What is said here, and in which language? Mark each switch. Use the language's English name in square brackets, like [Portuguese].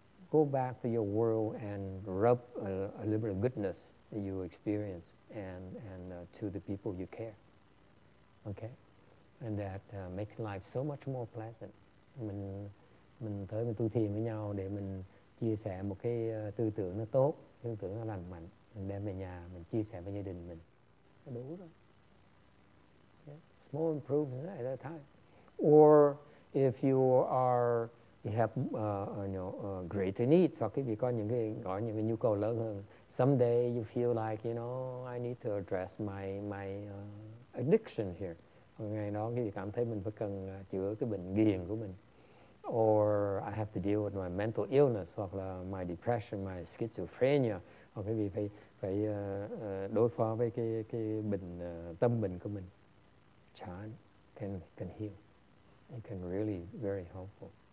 [English] Go back to your world and rub a little bit of goodness that you experience and to the people you care. Okay? And that makes life so much more pleasant. [Vietnamese] Mình tới mình tu thiền với nhau để mình chia sẻ một cái tư tưởng nó tốt, tư tưởng nó lành mạnh. Mình đem về nhà, mình chia sẻ với gia đình mình. Đủ rồi. Yeah. [English] Small improvement at that time. Or if you have greater needs, [Vietnamese] hoặc vì có những cái nhu cầu lớn hơn. [English] Someday you feel like, you know, I need to address my addiction here. [Vietnamese] Ngày đó cái gì cảm thấy mình phải cần chữa cái bệnh nghiện của mình. [English] Or I have to deal with my mental illness, [Vietnamese] hoặc là [English] my depression, my schizophrenia. [Vietnamese] Hoặc cái gì phải đối phó với cái bệnh tâm bệnh của mình. [English] Chán can heal. It can really very helpful.